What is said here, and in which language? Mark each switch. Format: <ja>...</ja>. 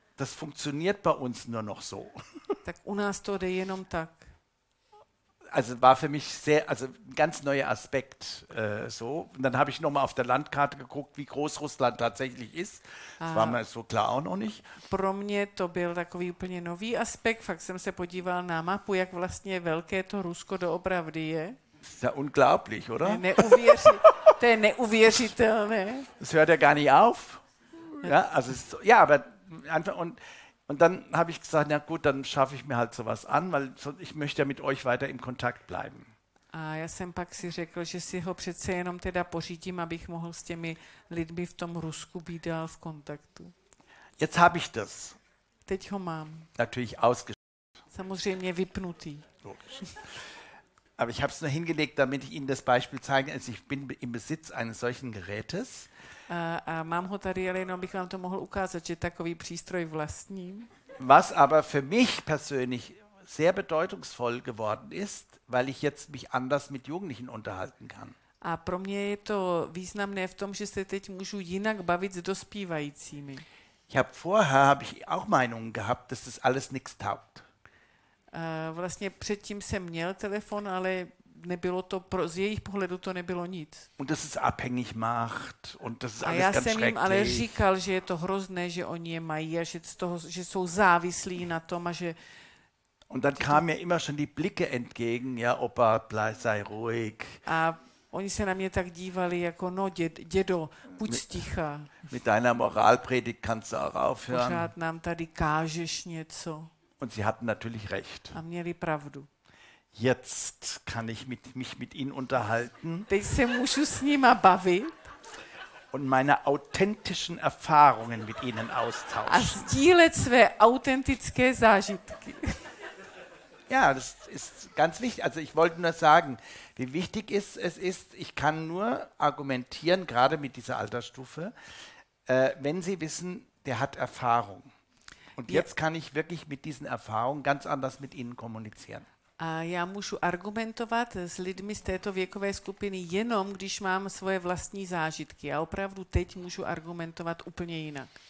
<de>das funktioniert bei uns nur noch so.</de> <cs>Tak u nás to jde jenom tak.</cs> <de>Also war für mich sehr, also ein ganz neuer Aspekt so. Und dann habe ich nochmal auf der Landkarte geguckt, wie groß Russland tatsächlich ist. Das war mir so klar auch noch nicht.</de> <cs>Pro mě to byl takový úplně nový aspekt. Fakt jsem se podíval na mapu, jak vlastně velké to Rusko doopravdy je.</cs> <de>Das ist ja unglaublich, oder?</de> <cs>To je neuvěřitelné.</cs> <de>Das hört ja gar nicht auf. Ja, also ist so, ja, aber einfach und... Und dann habe ich gesagt, na gut, dann schaffe ich mir halt sowas an, weil ich möchte ja mit euch weiter im Kontakt bleiben.</de> <cs>A já jsem pak si řekl, že si ho přece jenom teda pořídím, abych mohl s těmi lidmi v tom Rusku být dál v kontaktu.</cs> <de>Jetzt habe ich das.</de> <cs>Teď ho mám.</cs> <de>Natürlich ausgeschaltet.</de> <cs>Samozřejmě vypnutý.</cs> <de>Aber ich habe es nur hingelegt, damit ich Ihnen das Beispiel zeigen, also ich bin im Besitz eines solchen Gerätes.</de> <cs>A mám ho tady, ale jenom bych vám to mohl ukázat, že takový přístroj vlastním.</cs> <de>Was aber für mich persönlich sehr bedeutungsvoll geworden ist, weil ich jetzt mich anders mit Jugendlichen unterhalten kann.</de> <cs>A pro mě je to významné v tom, že se teď můžu jinak bavit s dospívajícími.</cs> <de>Ich habe vorher habe ich auch Meinungen gehabt, dass das alles nichts taugt.</de> <cs>Vlastně předtím jsem měl telefon, ale nebylo to pro, z jejich pohledu to nebylo nic.</cs> <de>Und das ist abhängig macht und das ist alles ganz schrecklich.</de> <cs>A já jsem jim ale říkal, že je to hrozné, že oni je mají a že, z toho, že jsou závislí na tom a že...</cs> <de>Und dann kam mir immer schon die Blicke entgegen, ja, Opa, bleib, sei ruhig.</de> <cs>A oni se na mě tak dívali jako, no, dědo, buď sticha.</cs> <de>Mit deiner Moralpredigt kannst du auch aufhören.</de> <cs>Pořád nám tady kážeš něco.</cs> <de>Und sie hatten natürlich recht.</de> <cs>A měli pravdu.</cs> <de>Jetzt kann ich mich mit ihnen unterhalten.</de> <cs>Teď se můžu s nima bavit.</cs> <de>Und meine authentischen Erfahrungen mit ihnen austauschen.</de> <cs>A sdílet své autentické zážitky.</cs> <de>Ja, das ist ganz wichtig. Also ich wollte nur sagen, wie wichtig ist, es ist, ich kann nur argumentieren, gerade mit dieser Altersstufe, wenn sie wissen, der hat Erfahrung. Und jetzt kann ich wirklich mit diesen Erfahrungen ganz anders mit ihnen kommunizieren.</de> <cs>A já můžu argumentovat s lidmi z této věkové skupiny jenom, když mám svoje vlastní zážitky. A opravdu teď můžu argumentovat úplně jinak.</cs>